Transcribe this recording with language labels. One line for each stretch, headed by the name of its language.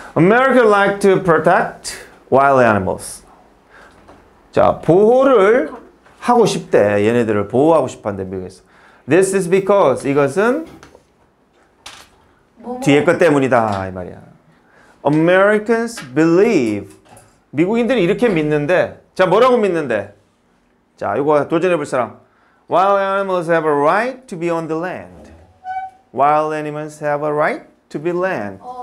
English: America like to protect wild animals.
Korean: 자 보호를 하고 싶대. 얘네들을 보호하고 싶한대 미국에서.
English: This is because
Korean: 이것은 뒤에 것 때문이다 이 말이야.
English: Americans believe
Korean: 미국인들이 이렇게 믿는데 자 뭐라고 믿는데? 자 이거 도전해 볼 사람.
English: Wild animals have a right to be on the land. Wild animals have a right to be land.